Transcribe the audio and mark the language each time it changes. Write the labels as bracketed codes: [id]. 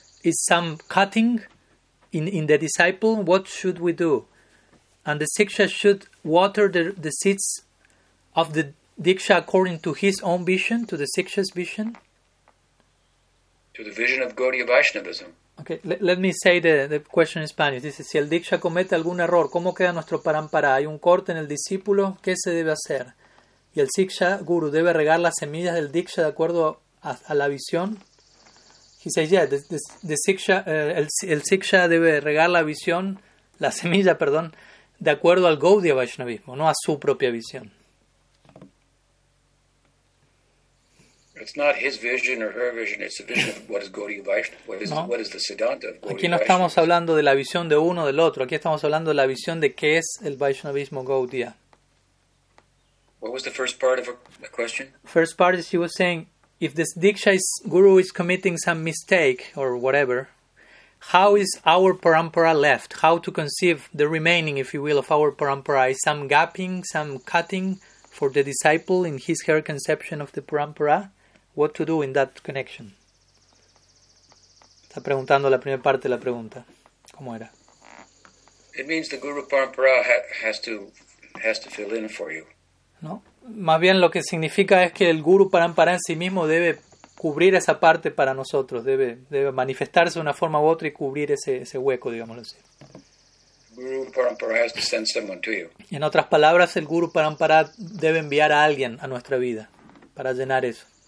[en] Is some cutting in the disciple? What should we do? And the Siksha should water the seeds of the Diksha according to his own vision, to the Siksha's vision? To the vision of Gaudiya Vaishnavism. Okay, let me say the question in Spanish. [es] Dice, si el Diksha comete algún error, ¿cómo queda nuestro parampara? ¿Hay un corte en el discípulo? ¿Qué se debe hacer? ¿Y el Siksha Guru debe regar las semillas del Diksha de acuerdo a la visión? [en] He says, yeah, [es] el Siksha debe regar la visión, la semilla, perdón, de acuerdo al Gaudiya Vaishnavismo, no a su propia visión. [en] It's not his vision or her vision, it's the vision of what is Gaudiya Vaishnava, what is the Siddhanta of Gaudiya. [es] Aquí no estamos hablando de la visión de uno del otro, aquí estamos hablando de la visión de qué es el Vaishnavismo Gaudiya. [en] What was the first part of the question? First part is she was saying, if this Diksha guru is committing some mistake or whatever, how is our parampara left? How to conceive the remaining, if you will, of our parampara? Is some gapping, some cutting, for the disciple in his her conception of the parampara, what to do in that connection? [es] Está preguntando la primera parte de la pregunta. ¿Cómo era? [en] It means the guru parampara has to fill in for you. [es] No, más bien lo que significa es que el guru parampara en sí mismo debe cubrir esa parte para nosotros, debe manifestarse de una forma u otra y cubrir ese hueco, digámoslo así. [en] Guru parampara has to send someone to you. [es] En otras palabras, el guru parampara debe enviar a alguien a nuestra vida para llenar eso.